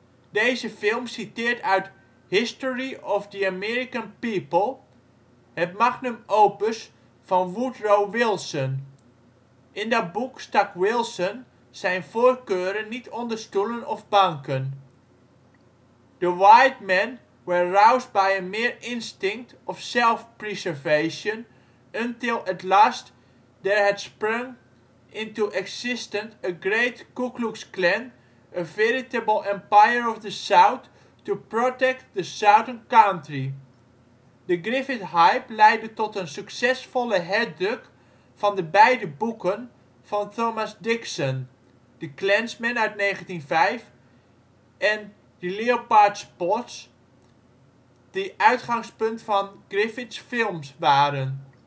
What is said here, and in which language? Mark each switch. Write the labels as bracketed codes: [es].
[nl] Deze film citeert uit History of the American People, het magnum opus van Woodrow Wilson. In dat boek stak Wilson zijn voorkeuren niet onder stoelen of banken. [en] The white men were roused by a mere instinct of self-preservation until at last there had sprung into existence a great Ku Klux Klan, a veritable empire of the South to protect the Southern country. [nl] De Griffith hype leidde tot een succesvolle herdruk van de beide boeken van Thomas Dixon, The Klansman uit 1905 en The Leopard Spots, die uitgangspunt van Griffiths films waren.